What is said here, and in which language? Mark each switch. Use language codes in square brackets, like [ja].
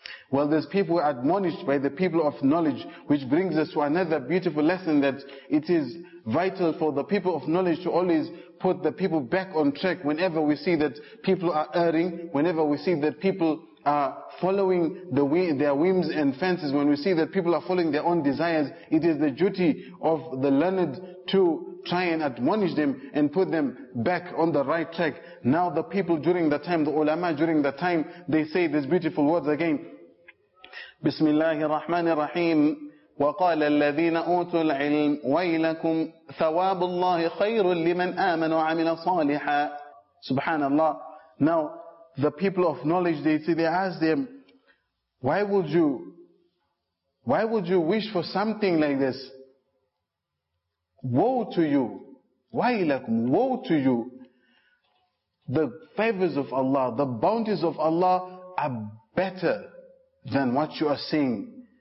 [en] Well, these people are admonished by the people of knowledge, which brings us to another beautiful lesson, that it is vital for the people of knowledge to always put the people back on track whenever we see that people are erring, whenever we see that people are following their whims and fancies, when we see that people are following their own desires. It is the duty of the learned to try and admonish them and put them back on the right track. Now the people during the time, the ulama during the time, they say these beautiful words again. [ar] Bismillahi rahmani rahim. وقال الذين أوتوا العلم ويلكم ثواب الله خير لمن آمن وعمل صالحا. Subhanallah. [en] Now the people of knowledge, they ask them, why would you wish for something like this? Woe to you, ويلكم, woe to you, the favors of Allah, the bounties of Allah are better than what you are seeing.